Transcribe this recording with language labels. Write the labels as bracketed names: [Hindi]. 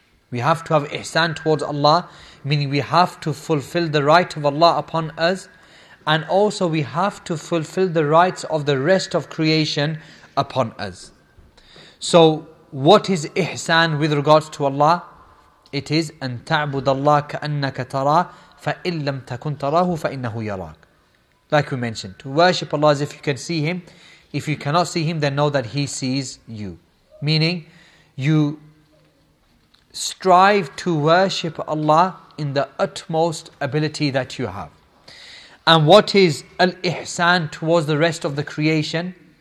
[English] We have to have ihsan towards Allah, meaning we have to fulfill the right of Allah upon us, and also we have to fulfill the rights of the rest of creation upon us. So what is ihsan with regards to Allah? It is [Arabic] أن تعبد الله كأنك تراه فإن لم تكن تراه فإنه يراك. [English] Like we mentioned, to worship Allah as if you can see Him. If you cannot see Him, then know that He sees you. Meaning, you strive to worship Allah in the utmost ability that you have. And what is al-ihsan towards the rest of the creation?